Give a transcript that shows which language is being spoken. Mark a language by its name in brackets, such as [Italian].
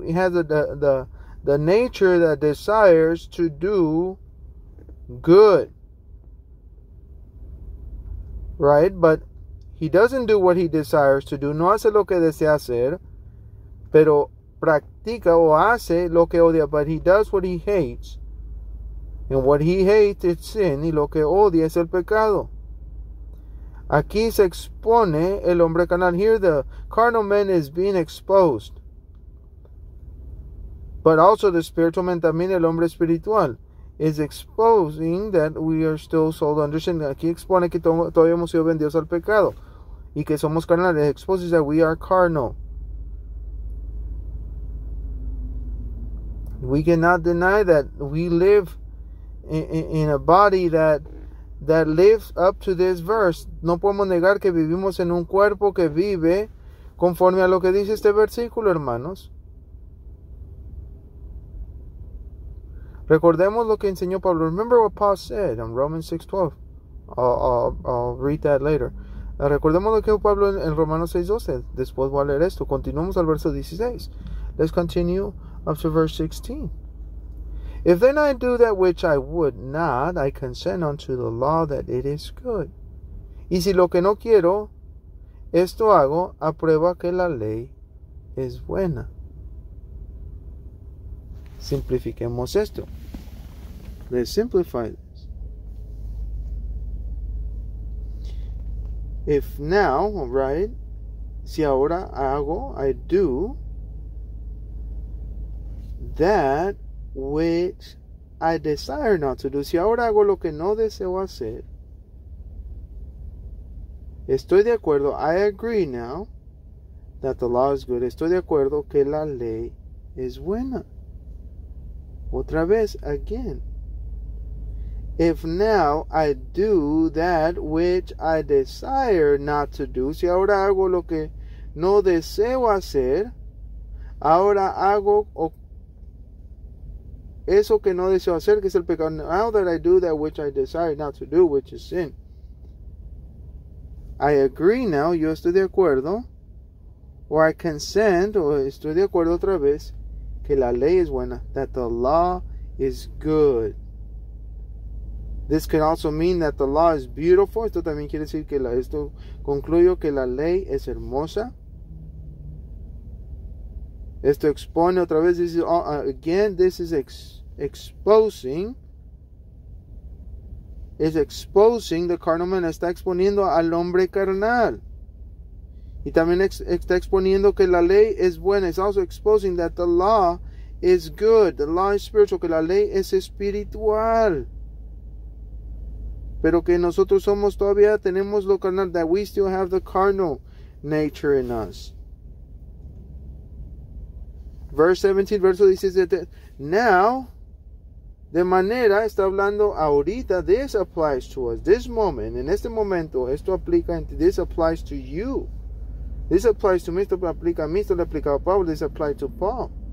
[English] He has the nature that desires to do good, right? But he doesn't do what he desires to do. [Spanish] No hace lo que desea hacer, pero practica o hace lo que odia. [English] But he does what he hates. And what he hates is sin, [Spanish] y lo que odia es el pecado. Aquí se expone el hombre carnal. [English] Here the carnal man is being exposed. But also the spiritual man, [Spanish] también el hombre espiritual, [English] is exposing that we are still sold under sin. [Spanish] Aquí expone que todavía hemos sido vendidos al pecado, y que somos carnales. [English] Exposes that we are carnal. We cannot deny that we live in a body that lives up to this verse. [Spanish] No podemos negar que vivimos en un cuerpo que vive conforme a lo que dice este versículo, hermanos. Recordemos lo que enseñó Pablo. [English] Remember what Paul said in Romans 6:12. I'll read that later. [Spanish] Recordemos lo que dijo Pablo en Romanos 6:12. Después voy a leer esto. Continuamos al verso 16. [English] Let's continue up to verse 16. If then I do that which I would not, I consent unto the law that it is good. [Spanish] Y si lo que no quiero, esto hago, aprueba que la ley es buena. Simplifiquemos esto. [English] Let's simplify this. If now, right, [Spanish] si ahora hago, [English] I do that which I desire not to do. [Spanish] Si ahora hago lo que no deseo hacer, estoy de acuerdo. [English] I agree now that the law is good. [Spanish] Estoy de acuerdo que la ley es buena. Otra vez, again. [English] If now I do that which I desire not to do. [Spanish] Si ahora hago lo que no deseo hacer, ahora hago eso que no deseo hacer, que es el pecado. [English] Now that I do that which I desire not to do, which is sin, I agree now, [Spanish] yo estoy de acuerdo, [English] or I consent, [Spanish] o estoy de acuerdo otra vez, que la ley es buena, [English] that the law is good. This can also mean that the law is beautiful. [Spanish] Esto también quiere decir que esto concluyo que la ley es hermosa. Esto expone otra vez, [English] this is again, this is exposing. Is exposing the carnal man. [Spanish] Está exponiendo al hombre carnal. Y también está exponiendo que la ley es buena. [English] It's also exposing that the law is good. The law is spiritual. [Spanish] Que la ley es espiritual. Pero que nosotros somos todavía, tenemos lo carnal. [English] That we still have the carnal nature in us. Verse 17, [Spanish] verso 16, [English] now, [Spanish] de manera, está hablando ahorita, [English] this applies to us, this moment, [Spanish] en este momento, esto aplica, [English] this applies to you, this applies to me, [Spanish] esto aplica a mí, esto le aplica a Pablo, [English] this applies to Paul.